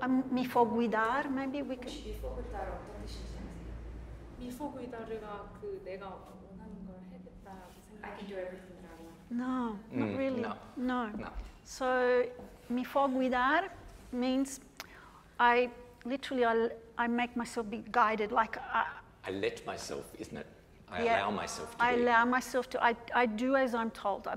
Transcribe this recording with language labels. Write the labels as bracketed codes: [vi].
[it] Mi fa guidare, [en] maybe we can. [it] Mi fa guidare [ko] 어떤 뜻인지 아세요? [it] Mi fa guidare [ko] 가 그 내가 원하는 걸 해겠다고 생각. [en] I can do everything that I want. No, not really. No. No. So [it] mi fa guidare [en] means I make myself be guided, like I let myself, isn't it? Allow myself to. I do as I'm told.